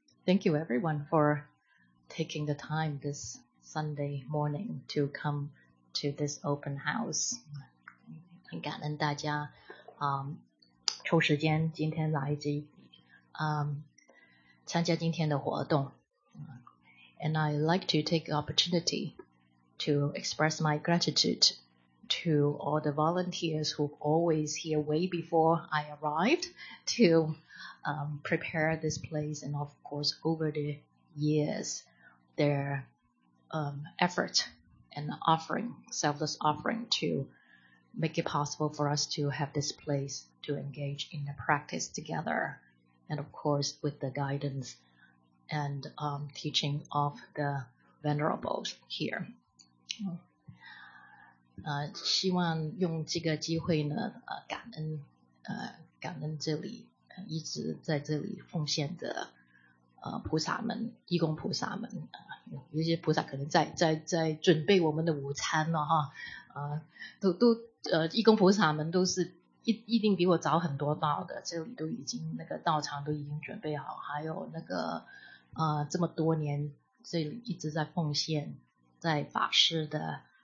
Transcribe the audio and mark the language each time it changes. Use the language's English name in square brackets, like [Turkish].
[English] Thank you, everyone, for taking the time this Sunday morning to come to this open house. [Chinese] 很感恩大家抽时间今天来及参加今天的活动。 [English] And I'd like to take the opportunity to express my gratitude. To all the volunteers who always here way before I arrived to prepare this place, and of course over the years, their effort and offering, selfless offering to make it possible for us to have this place to engage in the practice together, and of course with the guidance and teaching of the venerables here. [Chinese] 希望用这个机会呢，感恩这里一直在这里奉献的菩萨们、义工菩萨们，有些菩萨可能在准备我们的午餐了哈，义工菩萨们都是一定比我早很多到的，这里都已经那个道场都已经准备好，还有那个这么多年这里一直在奉献，在法师的。